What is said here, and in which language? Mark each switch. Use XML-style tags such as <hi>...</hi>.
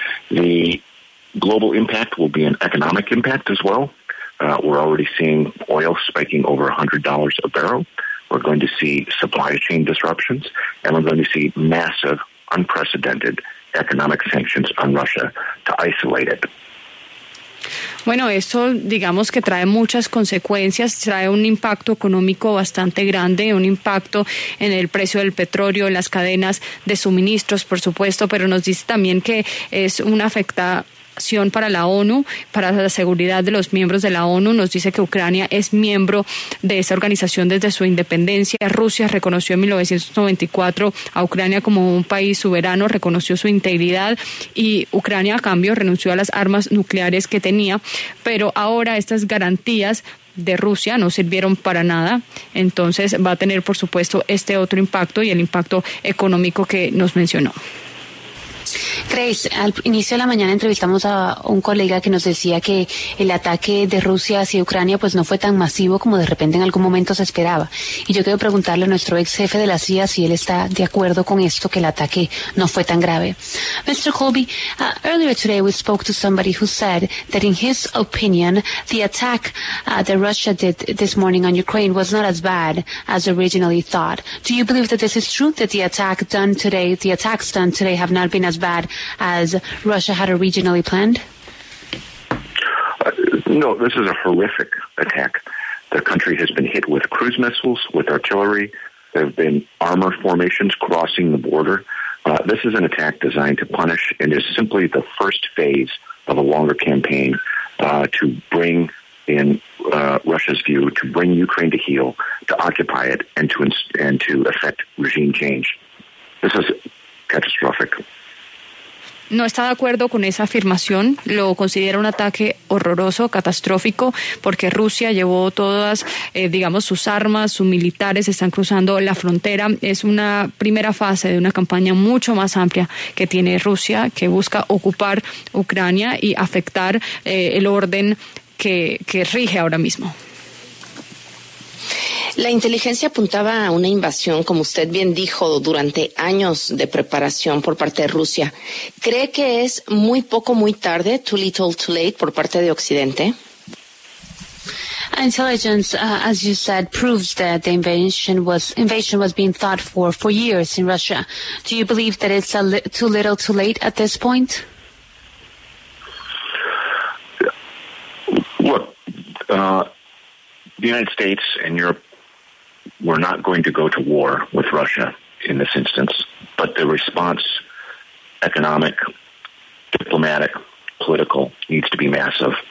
<en>The global impact will be an economic impact as well. We're already seeing oil spiking over $100 a barrel. We're going to see supply chain disruptions, and we're going to see massive, unprecedented economic sanctions on Russia to isolate it.</en> <es>Bueno, esto digamos que trae muchas consecuencias, trae un impacto económico bastante grande, un impacto en el precio del petróleo, en las cadenas de suministros, por supuesto, pero nos dice también que es una afectación para la ONU, para la seguridad de los miembros de la ONU. Nos dice que Ucrania es miembro de esa organización desde su independencia. Rusia reconoció en 1994 a Ucrania como un país soberano, reconoció su integridad y Ucrania a cambio renunció a las armas nucleares que tenía, pero ahora estas garantías de Rusia no sirvieron para nada. Entonces va a tener, por supuesto, este otro impacto y el impacto económico que nos mencionó. Grace, al inicio de la mañana entrevistamos a un colega que nos decía que el ataque de Rusia hacia Ucrania pues no fue tan masivo como de repente en algún momento se esperaba. Y yo quiero preguntarle a nuestro ex jefe de la CIA si él está de acuerdo con esto, que el ataque no fue tan grave.</es> <en>Mr. Kolbe, earlier today we spoke to somebody who said that in his opinion the attack that Russia did this morning on Ukraine was not as bad as originally thought. Do you believe that this is true, that the attacks done today have not been as bad as Russia had originally planned? No, this is a horrific attack. The country has been hit with cruise missiles, with artillery. There have been armor formations crossing the border. This is an attack designed to punish and is simply the first phase of a longer campaign to bring in Russia's view, to bring Ukraine to heel, to occupy it, and to effect regime change. This is catastrophic.</en> <es>no está de acuerdo con esa afirmación, lo considera un ataque horroroso, catastrófico, porque Rusia llevó todas, digamos, sus armas, sus militares están cruzando la frontera. Es una primera fase de una campaña mucho más amplia que tiene Rusia, que busca ocupar Ucrania y afectar el orden que rige ahora mismo. La inteligencia apuntaba a una invasión, como usted bien dijo, durante años de preparación por parte de Rusia. ¿Cree que es muy poco, muy tarde, too little, too late, por parte de Occidente?</es> <en>Intelligence, as you said, proves that the invasion was being thought for years in Russia. Do you believe that it's too little, too late at this point? Look, the United States and Europe were not going to go to war with Russia in this instance, but the response, economic, diplomatic, political, needs to be massive.</en>